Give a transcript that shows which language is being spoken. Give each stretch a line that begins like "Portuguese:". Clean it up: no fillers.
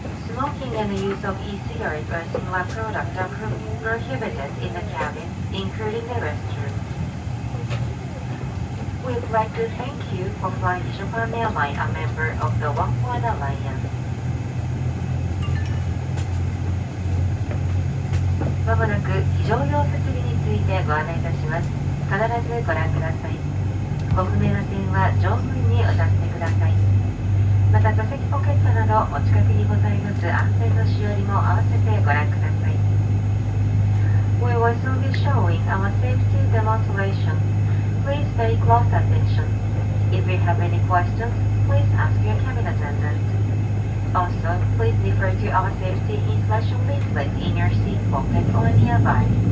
English: Smoking and the use of e-cigarettes or similar products are prohibited in the cabin, including the restroom. We'd like to thank you for flying Japan Airlines, a member of the Oneworld Alliance.
Japanese: まもなく非常用設備についてご案内いたします。必ずご覧ください。ご不明な点は乗務員にお尋ねください。また座席ポケットなどお近くにございます安全のしおりも合わせてご覧ください。
English: We will soon be showing our safety demonstration. Please pay close attention. If you have any questions, please ask your cabin attendantAlso, please refer to our safety installation leaflet in your seat pocket or nearby.